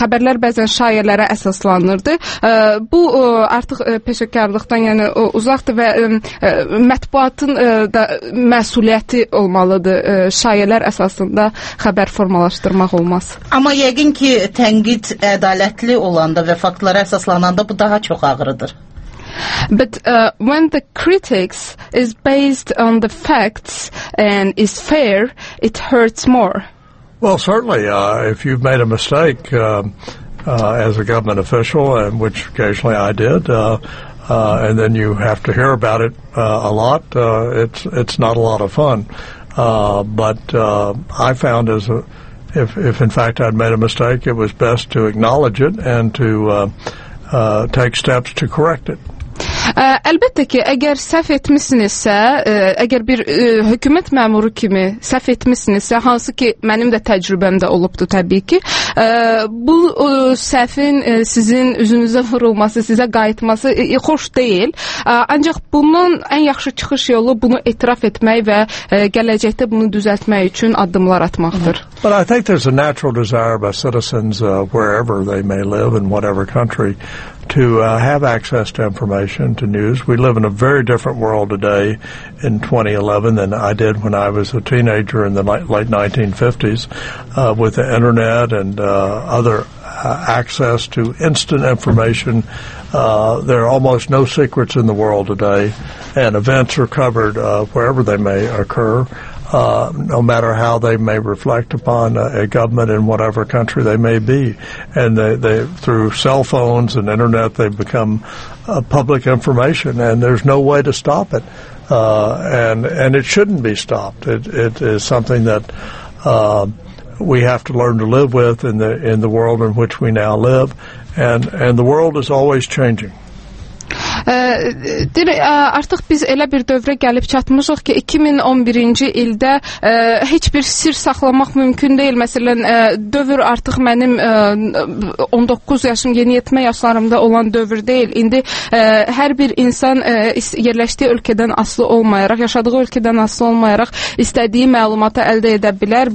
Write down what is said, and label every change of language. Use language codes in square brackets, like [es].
[az] Xəbərlər bəzən şayələrə əsaslanırdı. Bu artıq peşəkarlıqdan yəni uzaqdır və mətbuatın da məsuliyyəti olmalıdır. Şayələr əsasında xəbər formalaşdırmaq olmaz. Amma yəqin ki, tənqid ədalətli olanda və faktlara əsaslananda bu daha çox ağrıdır. [en] But when the critics is based on the facts and is fair, it hurts more. Well, certainly, if you've made a mistake as a government official, and which occasionally I did, and then you have to hear about it a lot, it's not a lot of fun. But I found if in fact I'd made a mistake, it was best to acknowledge it and to take steps to correct it. [az] Əlbəttə ki, əgər səhv etmişsinizsə, əgər bir hökumət məmuru kimi səhv etmişsinizsə, hansı ki mənim də təcrübəm də olubdu təbii ki, bu səhvin sizin üzünüzə vurulması, sizə qayıtması xoş deyil. Ancaq bundan ən yaxşı çıxış yolu bunu etiraf etmək və gələcəkdə bunu düzəltmək üçün addımlar atmaqdır. [en] But I think there's a natural desire by citizens wherever they may live in whatever country to have access to information, to news. We live in a very different world today in 2011 than I did when I was a teenager in the late 1950s with the internet and other access to instant information. There are almost no secrets in the world today, and events are covered wherever they may occur, no matter how they may reflect upon a government in whatever country they may be. And they through cell phones and internet, they become public information, and there's no way to stop it. And it shouldn't be stopped. It is something that we have to learn to live with in the world in which we now live. And the world is always changing. [az] Artıq biz elə bir dövrə gəlib çatmışıq ki, 2011-ci ildə heç bir sir saxlamaq mümkün deyil. Məsələn, dövr artıq mənim 19 yaşım, yeniyetmə yaşlarımda olan dövr deyil. İndi hər bir insan yerləşdiyi ölkədən asılı olmayaraq, yaşadığı ölkədən asılı olmayaraq istədiyi məlumatı əldə edə bilər.